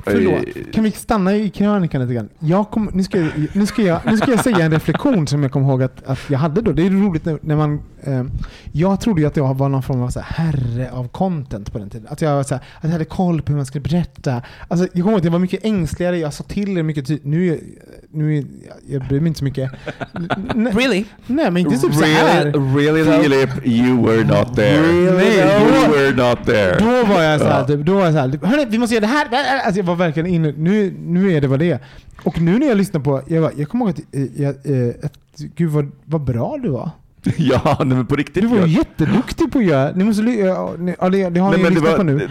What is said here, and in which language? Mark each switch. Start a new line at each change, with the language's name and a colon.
Swedish: Förlåt, kan vi stanna i krönikan lite grann? Nu ska jag säga en reflektion som jag kom ihåg att jag hade då. Det är roligt när man jag trodde ju att jag var någon form av så här herre av content på den tiden. Att jag var så här, att jag hade koll på hur man skulle berätta. Alltså jag kom ihåg att jag var mycket ängsligare. Jag sa till er mycket tydligt. Nu bryr mig inte så mycket.
English: Really?
Swedish: Nej, men inte typ
English: really,
Swedish: så här.
English: Really, Philip, you were not there. Really? You were not there.
Swedish: Då var jag såhär, hörni, vi måste göra det här. Alltså jag var verkligen inne. Nu är det vad det är. Och nu när jag lyssnar på, jag kommer ihåg att gud vad bra du var. Ja, men på riktigt. Du var jätteduktig på att göra. Ni måste det har ni lyssnat på nu.